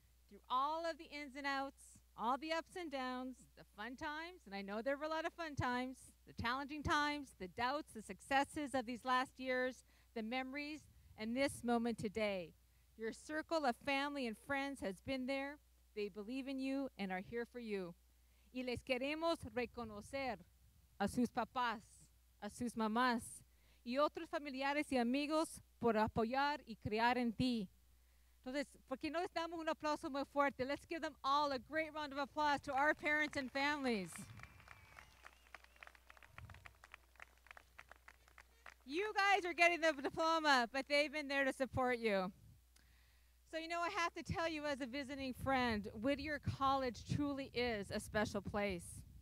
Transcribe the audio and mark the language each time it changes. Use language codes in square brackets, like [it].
[en] Through all of the ins and outs, all the ups and downs, the fun times, and I know there were a lot of fun times, the challenging times, the doubts, the successes of these last years, the memories, and this moment today. Your circle of family and friends has been there. They believe in you and are here for you. [es] Y les queremos reconocer a sus papás, a sus mamás, y otros familiares y amigos por apoyar y crear en ti. Entonces, ¿por qué no les damos un aplauso muy fuerte? [en] Let's give them all a great round of applause to our parents and families. You guys are getting the diploma, but they've been there to support you. So, you know, I have to tell you as a visiting friend, Whittier College truly is a special place.